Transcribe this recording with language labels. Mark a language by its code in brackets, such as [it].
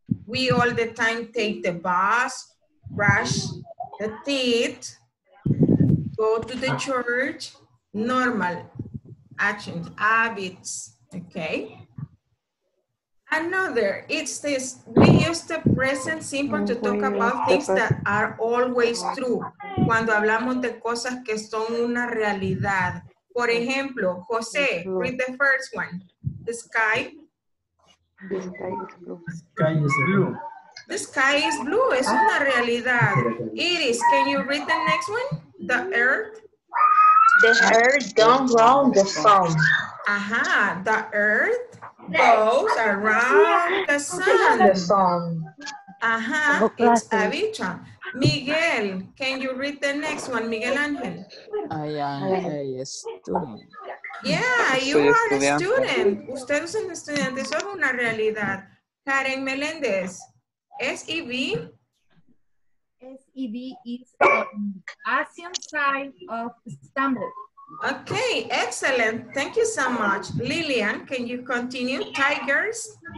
[en] We all the time take the bus, brush the teeth, go to the church, normal actions, habits, okay? Another, it's this, we use the present simple to talk about things that are always true. [es] Cuando hablamos de cosas que son una realidad. Por ejemplo, [en] José, read the first one. The sky. The sky is blue. The sky is blue, [es] es una realidad. [en] Iris, can you read the next one? The earth. The earth goes around the sun. Ajá, the earth. Goes around the sun. Ajá, it's habitual. Miguel, can you read the next one, Miguel Angel? I am a student. Yeah, you are a student. [es] Usted es un estudiante, eso es una realidad. [en] Karen Meléndez, S-E-V? S-E-V is Asian sign of Istanbul. Okay, excellent. Thank you so much. Lillian, can you continue? Tigers?